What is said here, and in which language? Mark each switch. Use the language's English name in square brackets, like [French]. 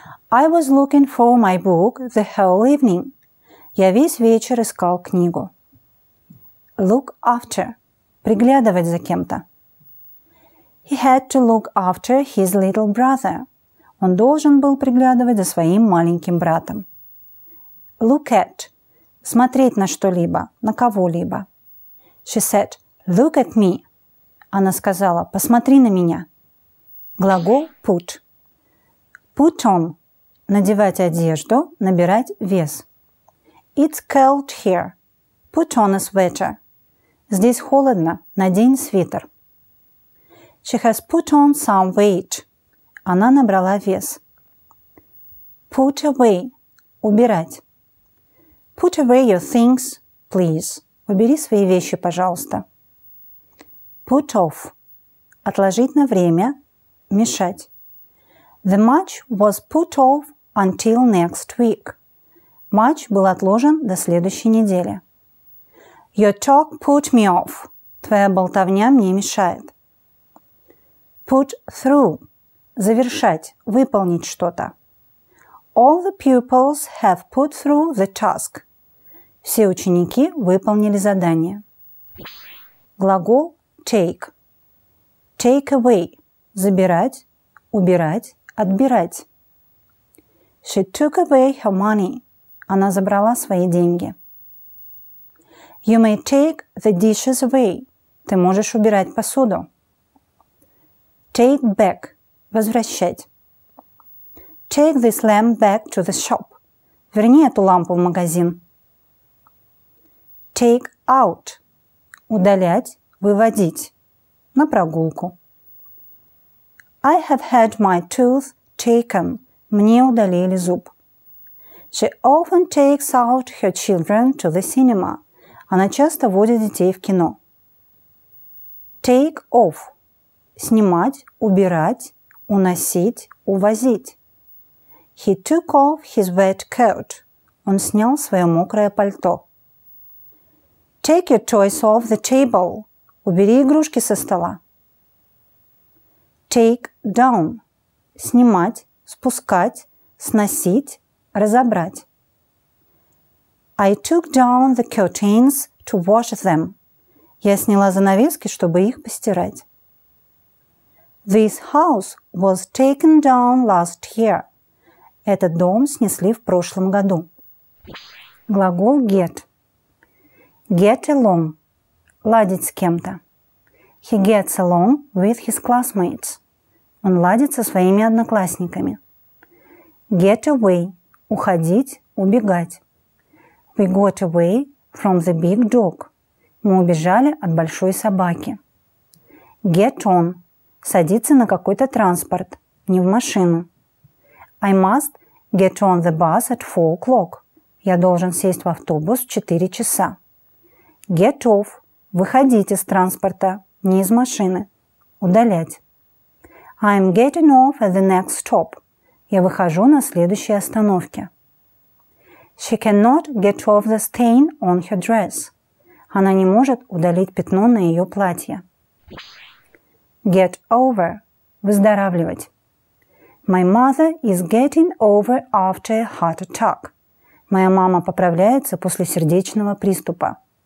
[English] I was looking for my book the whole evening. [Russian] Я весь вечер искал книгу. [English] Look after. [Russian] Приглядывать за кем-то. [English] He had to look after his little brother. [Russian] Он должен был приглядывать за своим маленьким братом. [English] Look at. [Russian] Смотреть на что-либо, на кого-либо. [English] She said, look at me. [Russian] Она сказала, посмотри на меня. Глагол [English] put. Put on. [Russian] Надевать одежду, набирать вес. [English] It's cold here. Put on a sweater. [Russian] Здесь холодно, надень свитер. [English] She has put on some weight. [Russian] Она набрала вес. [English] Put away. [Russian] Убирать. [English] Put away your things, please. [Russian] Убери свои вещи, пожалуйста. [English] Put off. [Russian] Отложить на время, мешать. [English] The match was put off until next week. [Russian] Матч был отложен до следующей недели. [English] Your talk put me off. [Russian] Твоя болтовня мне мешает. [English] Put through. [Russian] Завершать, выполнить что-то. [English] All the pupils have put through the task. [Russian] Все ученики выполнили задание. Глагол [English] take. Take away. [Russian] Забирать, убирать, отбирать. [English] She took away her money. [Russian] Она забрала свои деньги. [English] You may take the dishes away. [Russian] Ты можешь убирать посуду. [English] Take back. [Russian] Возвращать. [English] Take this lamp back to the shop. [Russian] Верни эту лампу в магазин. [English] Take out. [Russian] Удалять, выводить. На прогулку. [English] I have had my tooth taken. [Russian] Мне удалили зуб. [English] She often takes out her children to the cinema. [Russian] Она часто водит детей в кино. [English] Take off. [Russian] Снимать, убирать, уносить, увозить. [English] He took off his wet coat. [Russian] Он снял свое мокрое пальто. [English] Take your toys off the table. [Russian] Убери игрушки со стола. [English] Take down. [Russian] Снимать, спускать, сносить, разобрать. [English] I took down the curtains to wash them. [Russian] Я сняла занавески, чтобы их постирать. [English] This house was taken down last year. [Russian] Этот дом снесли в прошлом году. Глагол get. [English] Get along. [Russian] Ладить с кем-то. [English] He gets along with his classmates. [Russian] Он ладит со своими одноклассниками. [English] Get away. [Russian] Уходить, убегать. [English] We got away from the big dog. [Russian] Мы убежали от большой собаки. [English] Get on. [Russian] Садиться на какой-то транспорт, не в машину. [English] I must get on the bus at 4 o'clock. [Russian] Я должен сесть в автобус в 4 часа. [English] Get off. [Russian] Выходить из транспорта, не из машины. Удалять. [English] I'm getting off at the next stop. [Russian] Я выхожу на следующей остановке. [English] She cannot get off the stain on her dress. [Russian] Она не может удалить пятно на ее платье. [English] Get over. [Russian] Выздоравливать. [English] My mother is getting over after a heart attack. [Russian] Моя мама поправляется после сердечного приступа.